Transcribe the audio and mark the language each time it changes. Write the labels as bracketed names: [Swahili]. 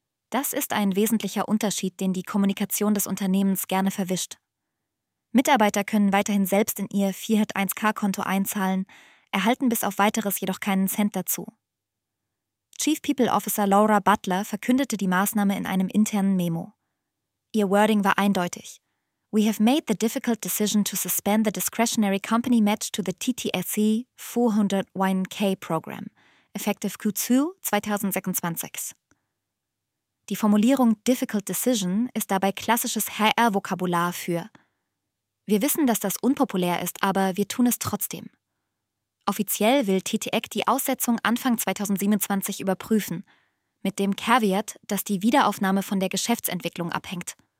[German] Das ist ein wesentlicher Unterschied, den die Kommunikation des Unternehmens gerne verwischt. Mitarbeiter können weiterhin selbst in ihr 401k-Konto einzahlen, erhalten bis auf Weiteres jedoch keinen Cent dazu. Chief People Officer Laura Butler verkündete die Maßnahme in einem internen Memo. Ihr Wording war eindeutig. [English] We have made the difficult decision to suspend the discretionary company match to the TTSE 401k program, effective Q2 2026. [German] Die Formulierung [English] difficult decision [German] ist dabei klassisches HR-Vokabular für: Wir wissen, dass das unpopulär ist, aber wir tun es trotzdem. Offiziell will TTEC die Aussetzung Anfang 2027 überprüfen, mit dem Caveat, dass die Wiederaufnahme von der Geschäftsentwicklung abhängt.